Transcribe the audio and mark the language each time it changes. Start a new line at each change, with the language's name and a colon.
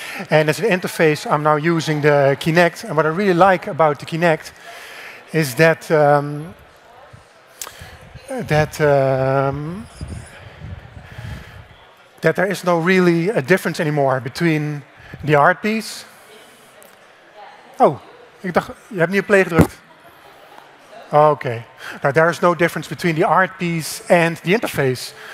English: And as an interface, I'm now using the Kinect. And what I really like about the Kinect is that that there is no really a difference anymore between the art piece.
Dutch: Oh, ik dacht, je hebt niet op play gedrukt.
English: Okay. Now, there is no difference between the art piece and the interface.